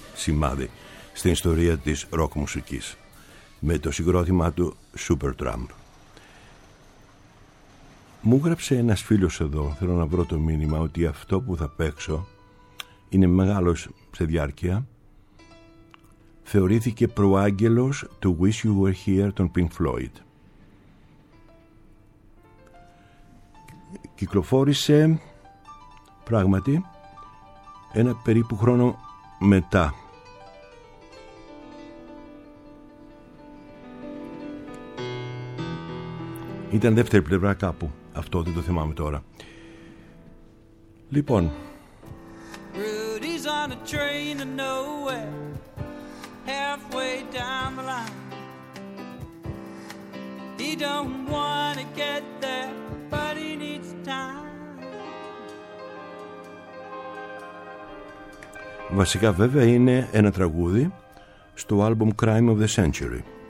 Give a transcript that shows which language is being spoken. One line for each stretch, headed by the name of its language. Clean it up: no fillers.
Greek: σημάδι στην ιστορία της ροκ μουσικής με το συγκρότημα του Supertramp. Μου γράψε ένας φίλος εδώ, θέλω να βρω το μήνυμα, ότι αυτό που θα παίξω είναι μεγάλος σε διάρκεια. Θεωρήθηκε προάγγελος του Wish You Were Here των Pink Floyd. Κυκλοφόρησε πράγματι ένα περίπου χρόνο μετά. Ήταν δεύτερη πλευρά κάπου. Αυτό δεν το θυμάμαι τώρα. Λοιπόν.
English: Rudy's on a train to nowhere, halfway down the line. He don't want to get there, but he needs time.
Greek: Βασικά βέβαια είναι ένα τραγούδι στο άλμπουμ Crime of the Century.